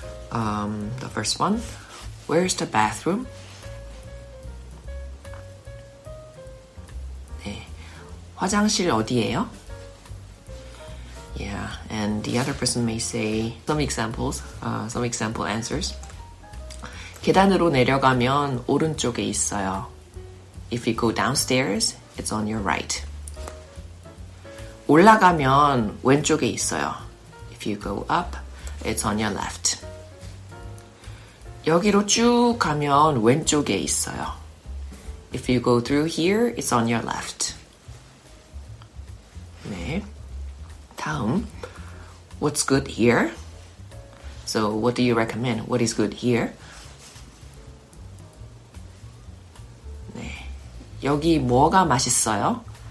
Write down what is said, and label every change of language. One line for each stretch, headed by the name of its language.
English: The first one, where's the bathroom?
Korean: 네, 화장실 어디예요?
English: Yeah, and the other person may say some examples, some example answers.
Korean: 계단으로 내려가면 오른쪽에 있어요.
English: If you go downstairs, it's on your right.
Korean: 올라가면 왼쪽에 있어요.
English: If you go up, it's on your left.
Korean: 여기로 쭉 가면 왼쪽에 있어요.
English: If you go through here, it's on your left.
Korean: 네.
English: 다음, what's good here? So, what do you recommend? What is good here?
Korean: 네, 여기 뭐가 맛있어요?